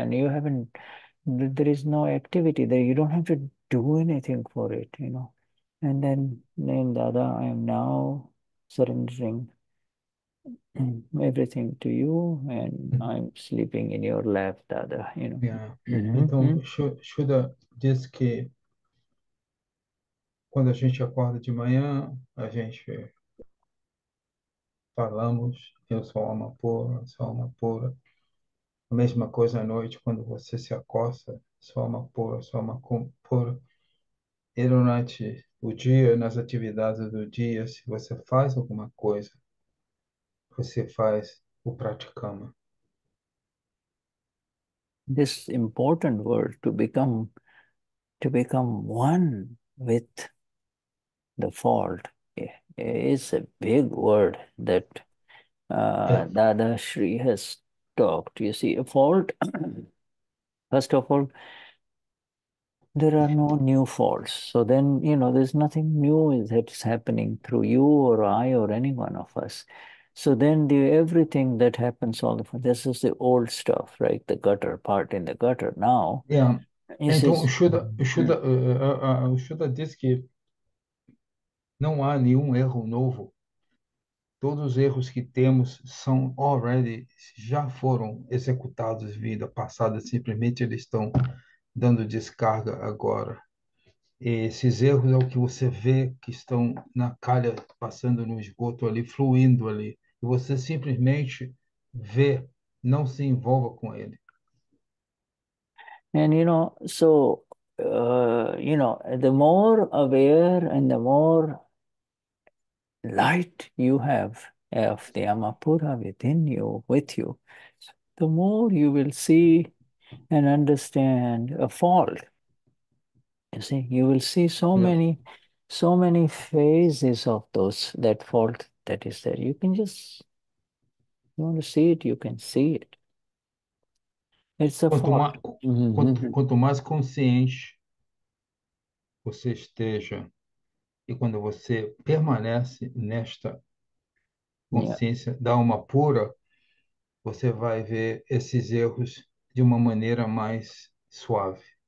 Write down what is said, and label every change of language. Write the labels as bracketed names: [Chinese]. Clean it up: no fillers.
[English] And you haven't, there is no activity there. You don't have to do anything for it, And then Dada, I am now surrendering everything to you, and I'm sleeping in your lap, Dada, [Portuguese] Então, Shuddha diz que quando a gente acorda de manhã, a gente falamos, eu sou alma pura, sou alma pura. A mesma coisa à noite, quando você se acosta, sou alma pura. E durante o dia, nas atividades do dia, se você faz alguma coisa, você faz o pratikrama. [English] This important word to become one with the fault is a big word that Dada Shri has talked. You see, a fault, first of all, There are no new faults. So then, you know, there's nothing new that's happening through you or I or any one of us. So then the everything that happens all the time, this is the old stuff, right? The gutter part in the gutter. Now, yeah. [Portuguese] Então, Shuddha diz que não há nenhum erro novo. Todos os erros que temos são already, já foram executados em vida passada, simplesmente eles estão dando descarga agora. E esses erros é o que você vê que estão na calha, passando no esgoto ali, fluindo ali. E você simplesmente vê, não se envolva com ele. [English] And, you know, so, you know, the more aware and the more light you have of the Amapura within you, with you, the more you will see and understand a fault. You see, you will see so many phases of those, that fault that is there. You can just, you want to see it, you can see it. It's a [Portuguese] quanto [English] fault. [Portuguese] Quanto mais consciente você esteja, e quando você permanece nesta consciência da alma pura, você vai ver esses erros de uma maneira mais suave.